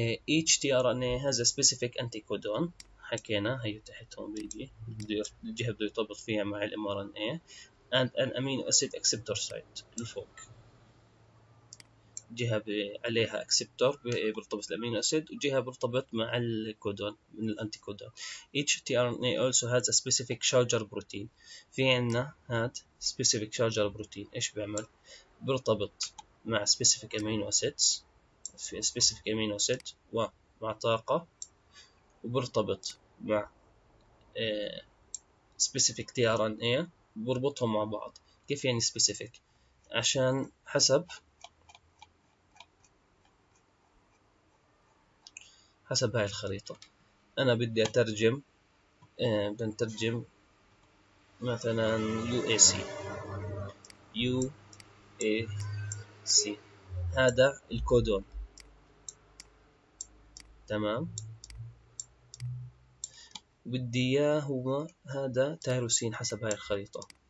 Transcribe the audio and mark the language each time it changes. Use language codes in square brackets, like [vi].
[ar] each تي ار ان اي [en] has a specific [ar] انتيكودون، حكينا هيو تحت هون بيجي الجهه بده يرتبط فيها مع الام ار ان اي، [en] and an amino acid acceptor site [ar] الفوق جهة عليها acceptor بيرتبط الأمينو أسيد، وجهة بيرتبط مع الكودون من الأنتيكودون. [en] each tRNA also has a specific charger protein، [ar] في عنا هاد specific charger protein إيش بيعمل؟ بيرتبط مع specific amino acids في specific amino acid ومع طاقة، وبيرتبط مع specific tRNA بربطهم مع بعض. كيف يعني specific؟ عشان حسب هاي الخريطة أنا بدي أترجم، بنترجم مثلا UAC، UAC هذا الكودون تمام، بدي إياه هو هذا تيروسين حسب هاي الخريطة،